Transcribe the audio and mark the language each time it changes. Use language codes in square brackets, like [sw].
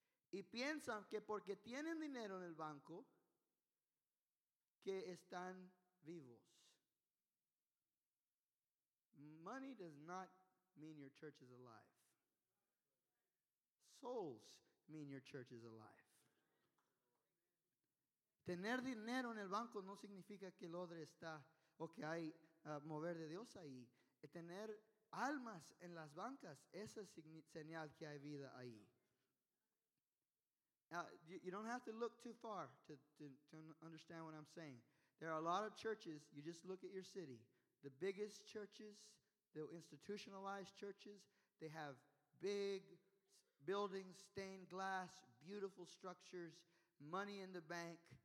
[es] Y piensan que porque tienen dinero en el banco, que están vivos. [en] Money does not mean your church is alive. Souls mean your church is alive. [es] Tener dinero en el banco no significa que el odre está o que hay mover de Dios ahí. Tener almas en las bancas, esa es señal que hay vida ahí. [en] You don't have to look too far to understand what I'm saying. There are a lot of churches, you just look at your city. The biggest churches, the institutionalized churches, they have big buildings, stained glass, beautiful structures, money in the bank.